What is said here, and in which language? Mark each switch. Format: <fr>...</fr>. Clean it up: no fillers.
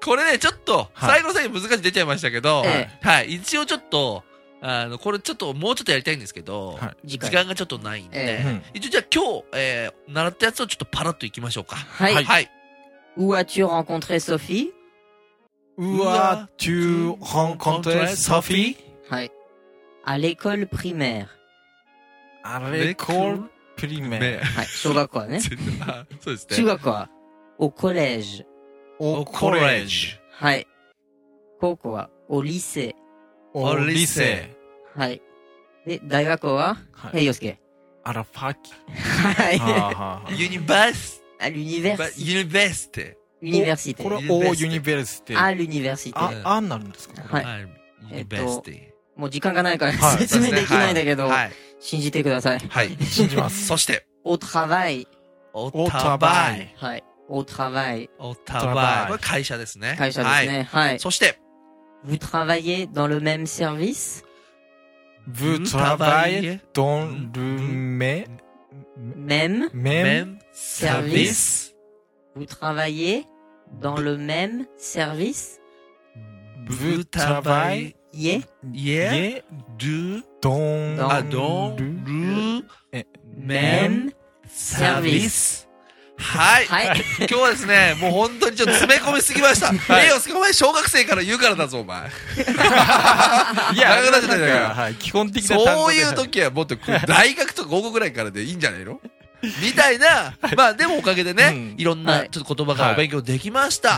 <ja>これねちょっと最後の最後難しい出ちゃいましたけど、はい、一応ちょっとこれちょっともうちょっとやりたいんですけど、はい、時間がちょっとないんで、一応じゃあ今日、習ったやつをちょっとパラッといきましょうか。はいはい。</ja> <fr>Où as-tu rencontré Sophie? Où as-tu rencontré Sophie? Hi. À l'école primaire. À l'école primaire.</fr> <ja>Hi. 小学校ね。そうですね。中学校。</ja> <fr>Au collège. Au collège. Hi.</fr> <ja>高校は</ja> <fr>au lycée. Au lycée. Hi.</fr> <ja>で、大学校は Hey, Yosuke.</ja> <fr>À la fac. Hi. Université. À l'université. Université. Université.</fr> <ja>これは</ja> <fr>au université. À l'université.</fr> <ja>À なるんですか、はい、</ja> <fr>Université.</fr> <ja>もう時間がないから、はい、説明できないんだけど、はい、信じてください。はい、信じます。そして。</ja> <fr>Au travail. Au travail. はい。Au travail. Au travail.</fr> <ja>これ会社ですね。会社ですね。はい。はい、そして。</ja> <fr>Vous travaillez dans le même service? Vous travaillez dans le même service? Vous travaillez dans le même service? Vous travaillez dans le même service?</fr> <ja>はい、はい、今日はですね、もう本当にちょっと詰め込みすぎました。はい、お前小学生から言うからだぞ、お前。いや、長くなっちゃったから。はい、基本的な単語で。そういう時はもっと大学とか高校ぐらいからでいいんじゃないの? みたいな、まあでもおかげでね、うん、いろんなちょっと言葉からお勉強できました。</ja>